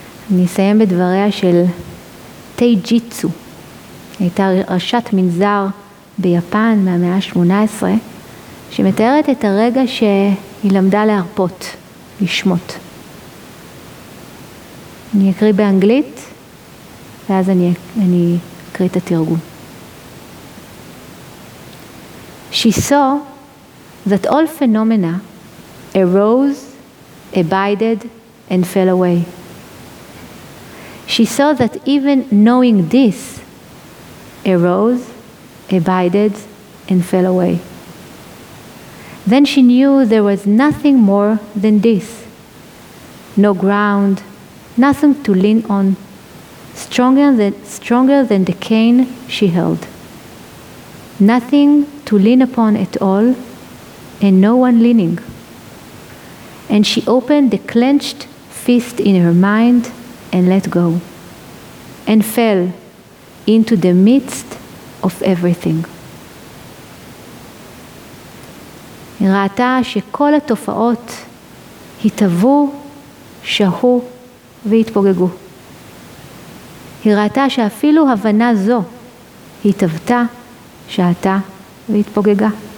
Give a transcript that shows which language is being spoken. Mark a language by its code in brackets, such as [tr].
[he] אני אסיים בדבריה של טייג'יצו. הייתה ראשת מנזר ביפן מהמאה ה-18, שמתארת את הרגע שהיא למדה להרפות, לשמות. אני אקריא באנגלית, ואז אני אקריא את התרגום. [en] She saw that all phenomena arose, abided, and fell away. She saw that even knowing this arose, abided, and fell away. Then she knew there was nothing more than this. No ground, nothing to lean on, stronger than the cane she held. Nothing to lean upon at all, and no one leaning. And she opened the clenched fist in her mind and let go, and fell into the midst of everything. [he] היא ראתה שכל התופעות התהוו, שהו והתפוגגו. היא ראתה שאפילו הבנה זו התהוותה, שהתה והתפוגגה.